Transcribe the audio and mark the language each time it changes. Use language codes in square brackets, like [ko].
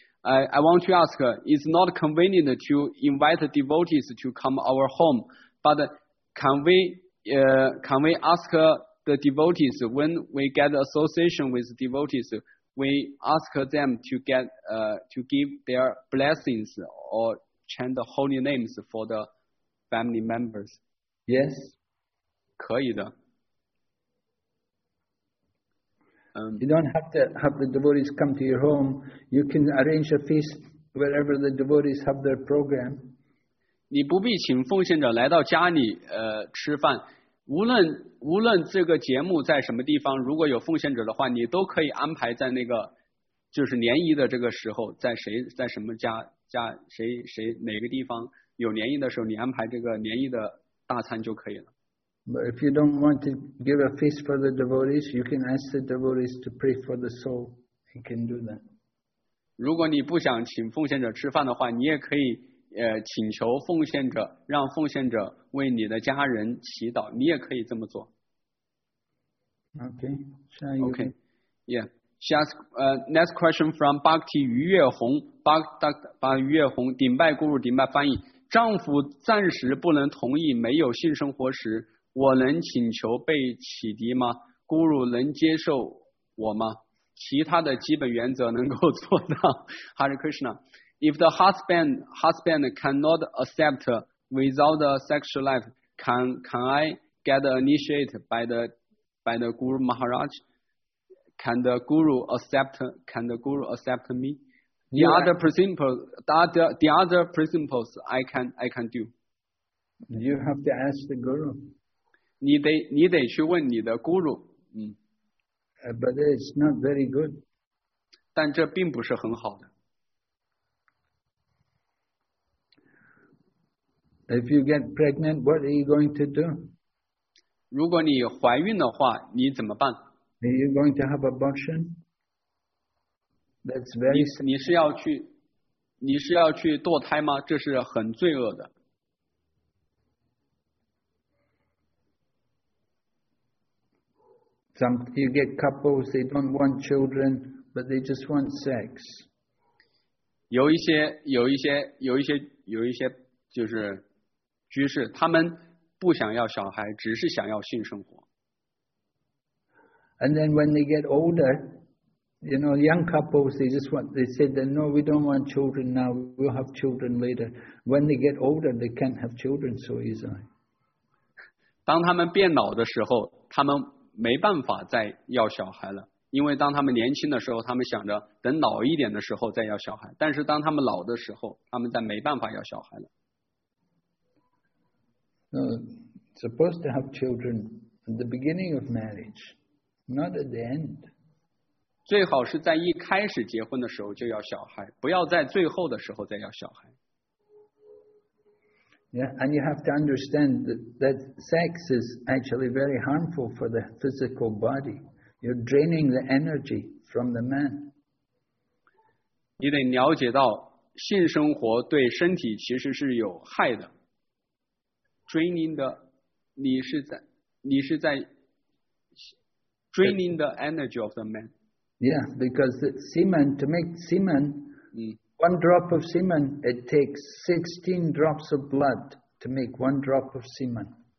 [en] I want to ask, it's not convenient to invite devotees to come our home, but can we ask the devotees when we get association with devotees, we ask them to give their blessings or chant the holy names for the family members. Yes. [zh] 可以的。 [en] You don't have to have the devotees come to your home. You can arrange a feast wherever the devotees have their program. [zh] 你不必请奉献者来到家里吃饭。无论这个节目在什么地方，如果有奉献者的话，你都可以安排在那个就是联谊的这个时候，在什么家谁哪个地方有联谊的时候，你安排这个联谊的大餐就可以了。 [en] But if you don't want to give a feast for the devotees, you can ask the devotees to pray for the soul. You can do that. [zh] 如果你不想请奉献者吃饭的话，你也可以请求奉献者，让奉献者为你的家人祈祷，你也可以这么做。 [en] Okay. She asked, next question from Bhakti 于月红。 [zh] 把于月红顶拜姑姑顶拜翻译，丈夫暂时不能同意没有性生活时，我能请求被启迪吗？姑姑能接受我吗？其他的基本原则能够做到。 [en] Hare Krishna, if the husband cannot accept without a sexual life, can I get initiated by the Guru Maharaj? Can the Guru accept me? The other principles I can do. You have to ask the guru. [zh] 你得去问你的 guru. [en] But it's not very good. [zh] 但这并不是很好的。 [en] If you get pregnant, what are you going to do? [zh] 如果你怀孕的话，你怎么办？ [en] Are you going to have abortion? That's very [zh] 你是要去堕胎吗？这是很罪恶的。 [en] Some you get couples, they don't want children, but they just want sex. [zh] 有一些就是居士，他们不想要小孩，只是想要性生活。 [en] And then when they get older,You know, young couples, they said, we don't want children now, we'll have children later. When they get older, they can't have children so easily. [zh] 当他们变老的时候，他们没办法再要小孩了。因为当他们年轻的时候，他们想着等老一点的时候再要小孩。但是当他们老的时候，他们再没办法要小孩了。 [en] Supposed to have children at the beginning of marriage, not at the end. [zh] 最好是在一开始结婚的时候就要小孩，不要在最后的时候再要小孩。 [en] Yeah, and you have to understand that sex is actually very harmful for the physical body. You're draining the energy from the man. [zh] 你得了解到性生活对身体其实是有害的。 [en] Draining the, [zh] 你是在 [en] draining the energy of the man. Yeah, because the semen, to make semen, one drop of semen, it takes 16 drops of blood to make one drop of semen.